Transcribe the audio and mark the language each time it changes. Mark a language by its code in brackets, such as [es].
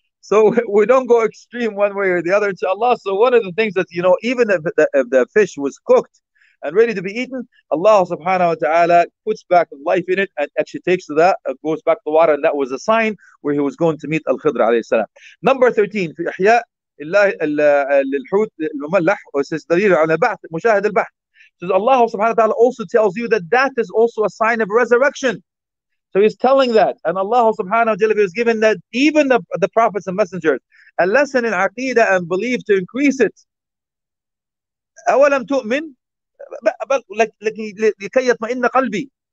[en] So we don't go extreme one way or the other, inshallah. So one of the things that, you know, even if the fish was cooked and ready to be eaten, Allah subhanahu wa ta'ala puts back life in it and actually takes to that, goes back to the water, and that was a sign where he was going to meet Al-Khidr alayhi salam. Number 13, [ar] في إحياء الله للحوت المملح, says دليل على بعث مشاهد البحث. [en] Says Allah subhanahu wa ta'ala also tells you that that is also a sign of resurrection. So he's telling that, and Allah subhanahu wa ta'ala has given that even the prophets and messengers a lesson in aqidah and belief to increase it. [ar] أَوَلَمْ تُؤْمِنْ لِكَيْ يَطْمَئِنَّ قَلْبِي.